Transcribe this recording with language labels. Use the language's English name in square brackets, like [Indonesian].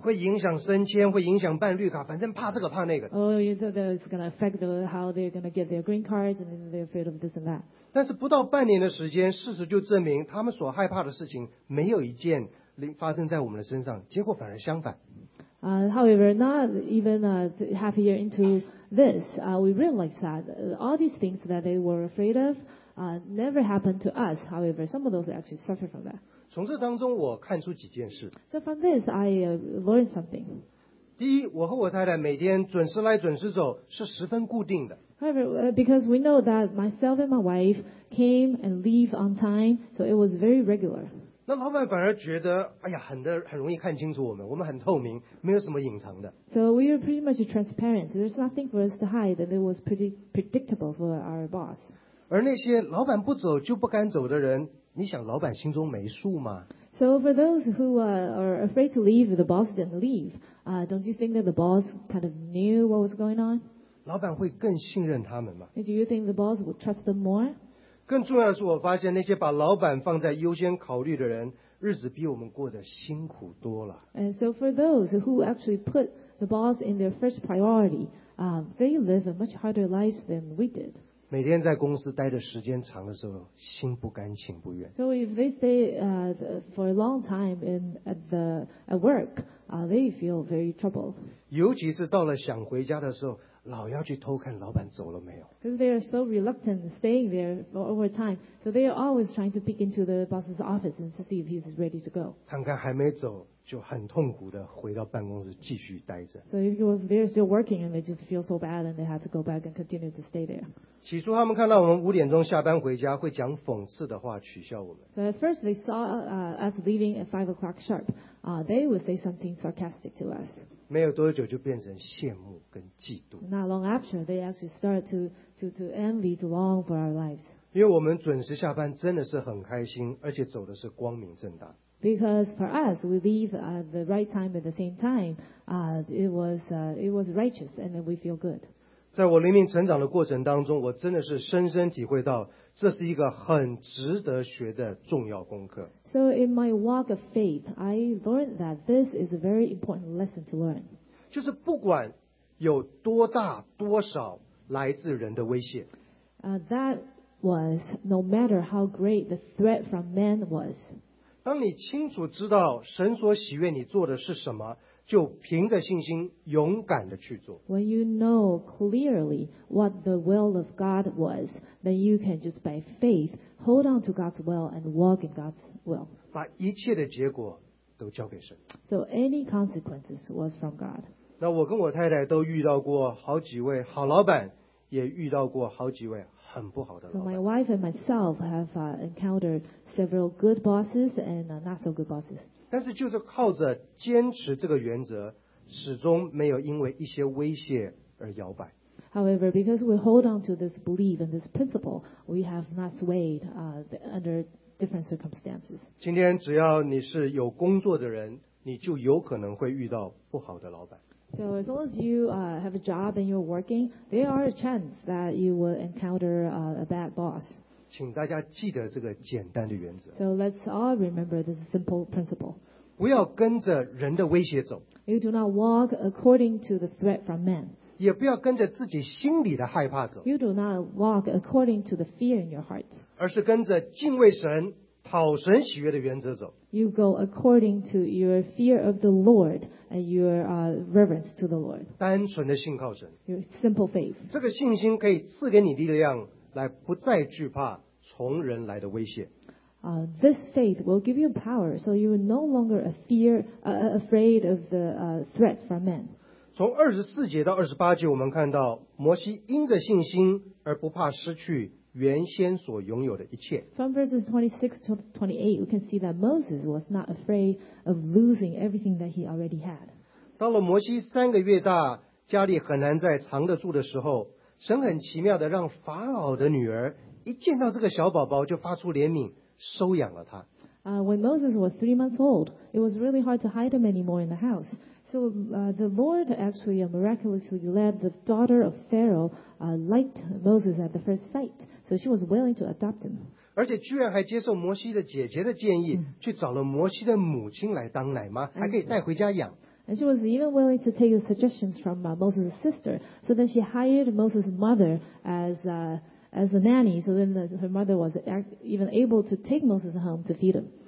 [Chinese] 会影响升迁，会影响办绿卡，反正怕这个怕那个。 [English] Oh, you know, it's going to affect how they're going to get their green cards, and they're afraid of this and that. [Chinese] 但是不到半年的时间，事实就证明他们所害怕的事情没有一件发生在我们的身上，结果反而相反。 [English] However, not even half a year into this, we realized that all these things that they were afraid of never happened to us. However, some of those actually suffered from that. [Chinese] 从这当中我看出几件事。 [English] So from this, I learned something. [Chinese] 第一，我和我太太每天准时来准时走是十分固定的。 [English] However, because we know that myself and my wife came and leave on time, so it was very regular. [Chinese] 那老板反而觉得，哎呀，很容易看清楚我们，我们很透明，没有什么隐藏的。 [English] So we were pretty much transparent. There's nothing for us to hide, and it was pretty predictable for our boss. [Chinese] 而那些老板不走就不敢走的人，你想老板心中没数吗？ [English] So for those who are afraid to leave, the boss didn't leave. Don't you think that the boss kind of knew what was going on? [Chinese] 老板会更信任他们吗？ [English] Do you think the boss would trust them more? [Chinese] 更重要的是，我发现那些把老板放在优先考虑的人，日子比我们过得辛苦多了。 [English] And so for those who actually put the boss in their first priority, they live a much harder life than we did. [Chinese] 每天在公司待的时间长的时候，心不甘情不愿。 [English] So if they stay for a long time at work, they feel very troubled. [Chinese] 尤其是到了想回家的时候。老要去偷看老板走了没有。 [English] Because they are so reluctant staying there for over time, so they are always trying to peek into the boss's office and to see if he is ready to go. [Chinese] 看看还没走，就很痛苦的回到办公室继续待着。 [English] So if he was there still working, and they just feel so bad, and they had to go back and continue to stay there. [Chinese] 起初他们看到我们五点钟下班回家，会讲讽刺的话取笑我们。 [English] So at first they saw us leaving at 5 o'clock sharp. They would say something sarcastic to us. [Chinese] 没有多久就变成羡慕跟嫉妒。 [English] Not long after, they actually start to envy, to long for our lives. [Chinese] 因为我们准时下班真的是很开心，而且走的是光明正大。 [English] Because for us, we leave at the right time at the same time. It was righteous, and we feel good. [Chinese] 在我灵命成长的过程当中，我真的是深深体会到，这是一个很值得学的重要功课。 [English] So in my walk of faith, I learned that this is a very important lesson to learn. [Chinese] 就是不管有多大多少来自人的威胁。 [English] That was no matter how great the threat from man was. [Chinese] 当你清楚知道神所喜悦你做的是什么，就凭着信心勇敢地去做。 [English] When you know clearly what the will of God was, then you can just by faith hold on to God's will and walk in God's will. [Chinese] 把一切的结果都交给神。 [English] So any consequences was from God. [Chinese] 那我跟我太太都遇到过好几位好老板，也遇到过好几位很不好的老板。 [English] So my wife and myself have encountered several good bosses and not so good bosses. [Chinese] 但是就是靠着坚持这个原则，始终没有因为一些威胁而摇摆。 [English] However, because we hold on to this belief and this principle, we have not swayed under different circumstances. [Chinese] 今天只要你是有工作的人，你就有可能会遇到不好的老板。 [English] So as long as you have a job and you're working, there are a chance that you will encounter a bad boss. [Chinese] 请大家记得这个简单的原则。 [English] So let's all remember this simple principle. [Chinese] 不要跟着人的威胁走。 [English] You do not walk according to the threat from man. [Chinese] 也不要跟着自己心里的害怕走。 [English] You do not walk according to the fear in your heart. [Chinese] 而是跟着敬畏神、讨神喜悦的原则走。 [English] You go according to your fear of the Lord and your reverence to the Lord. [Chinese] 单纯的信靠神。 [English] Your simple faith. [Chinese] 这个信心可以赐给你力量。来不再惧怕从人来的威胁。 [English] This faith will give you power, so you are no longer afraid of the threat from men. [Chinese] 从二十四节到二十八节，我们看到摩西因着信心而不怕失去原先所拥有的一切。 [English] From verses 26 to 28, we can see that Moses was not afraid of losing everything that he already had. [Chinese] 到了摩西三个月大，家里很难再藏得住的时候。神很奇妙的让法老的女儿一见到这个小宝宝就发出怜悯，收养了他。 [English] When Moses was 3 months old, it was really hard to hide him anymore in the house. So the Lord actually miraculously led the daughter of Pharaoh liked Moses at the first sight, so she was willing to adopt him. [Chinese] 而且居然还接受摩西的姐姐的建议，去找了摩西的母亲来当奶妈，还可以带回家养。 [English] And she was even willing to take the suggestions from Moses' sister. So then she hired Moses' mother as a nanny. So then her mother was even able to take Moses home to feed him.